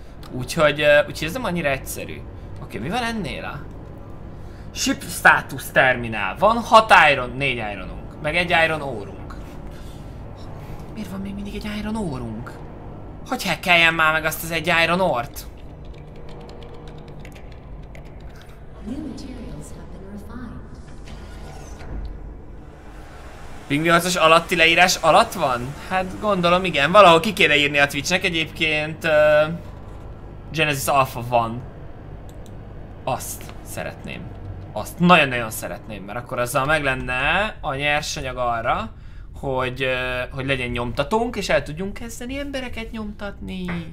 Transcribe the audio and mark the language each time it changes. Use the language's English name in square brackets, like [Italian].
[Hungarian] Úgyhogy ez nem annyira egyszerű. Oké, mi van ennél a? Ship status terminál. Van 6 iron, 4 ironunk. Meg egy iron órunk. Miért van még mindig egy iron órunk? Hogy hackeljen már meg azt az egy Iron Ort? [English] New materials have been refined. [Hungarian] Pingvinharcos alatti leírás alatt van? Hát gondolom igen, valahol ki kéne írni a Twitchnek egyébként. Genesis Alpha van. Azt szeretném. Azt nagyon-nagyon szeretném, mert akkor azzal meg lenne a nyersanyag arra, hogy, hogy legyen nyomtatónk, és el tudjunk kezdeni embereket nyomtatni.